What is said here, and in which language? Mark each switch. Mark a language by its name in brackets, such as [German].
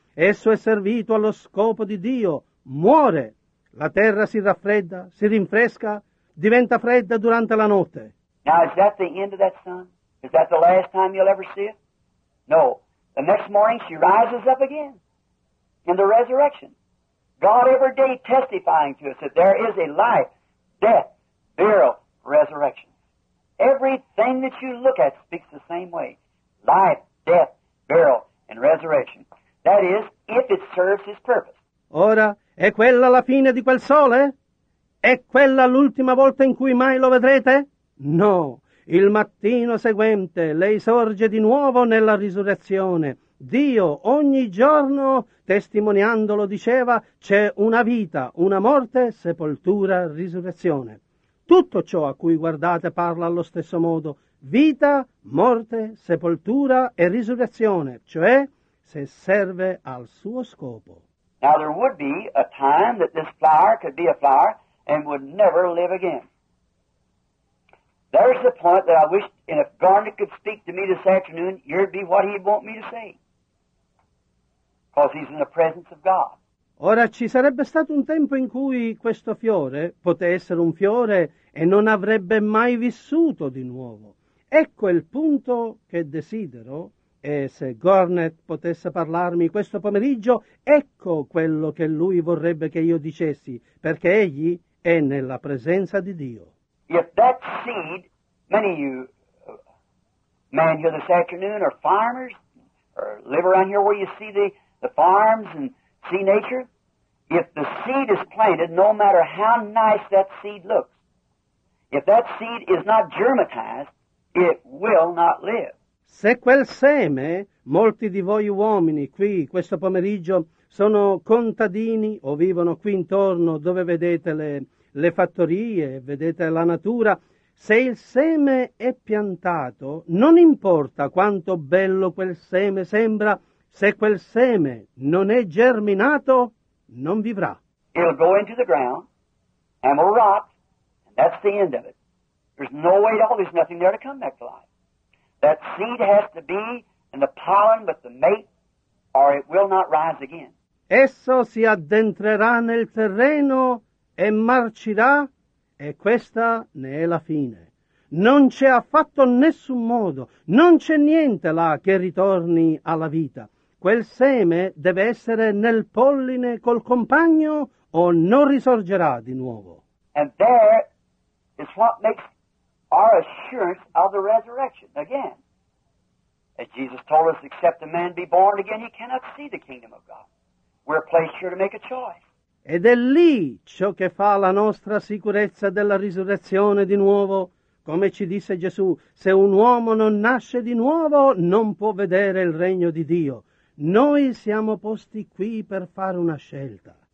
[Italian] Esso è servito allo scopo di Dio, muore. La terra si raffredda, si rinfresca, diventa fredda durante la notte. [English] Now, is that the end of that sun? Is that the last time you'll ever see it? No. The next morning she rises up again in the resurrection. God every day testifying to us that there is a life, death, burial, resurrection. Everything that you look at speaks the same way. Life, death, burial, and resurrection. That is, if it serves his purpose. [Italian] Ora, è quella la fine di quel sole? È quella l'ultima volta in cui mai lo vedrete? No. Il mattino seguente lei sorge di nuovo nella risurrezione. Dio, ogni giorno, testimoniandolo, diceva, c'è una vita, una morte, sepoltura, risurrezione. Tutto ciò a cui guardate parla allo stesso modo. Vita, morte, sepoltura e risurrezione, cioè se serve al suo scopo. [English] Now there would be a time that this flower could be a flower and would never live again. There's the point that I wish, and if Garnet could speak to me this afternoon, here'd be what he'd want me to say. Because he's in the presence of God. [Italian] Ora ci sarebbe stato un tempo in cui questo fiore poté essere un fiore e non avrebbe mai vissuto di nuovo. Ecco il punto che desidero. E se Garnet potesse parlarmi questo pomeriggio, ecco quello che lui vorrebbe che io dicessi, perché egli è nella presenza di Dio. [English] If that seed, many of you men here this afternoon are farmers, or live around here where you see the farms and see nature, if the seed is planted, no matter how nice that seed looks, if that seed is not germinized, it will not live. [Italian] Se quel seme, molti di voi uomini qui questo pomeriggio sono contadini o vivono qui intorno dove vedete le fattorie, vedete la natura, se il seme è piantato, non importa quanto bello quel seme sembra, se quel seme non è germinato, non vivrà. [English] It'll go into the ground and will rot, and that's the end of it. There's no way at all, there's nothing there to come back to life. That seed has to be in the pollen with the mate, or it will not rise again. [Italian] Esso si addentrerà nel terreno e marcirà, e questa ne è la fine. Non c'è affatto nessun modo, non c'è niente là che ritorni alla vita. Quel seme deve essere nel polline col compagno, o non risorgerà di nuovo. [English] And there is what makes our assurance of the resurrection again. As Jesus told us, except a man be born again, he cannot see the kingdom of God. We're placed here to make a choice. [Italian] Ed è lì ciò che fa la nostra sicurezza della risurrezione di nuovo. Come ci disse Gesù, se un uomo non nasce di nuovo, non può vedere il regno di Dio. Noi siamo posti qui per fare una scelta.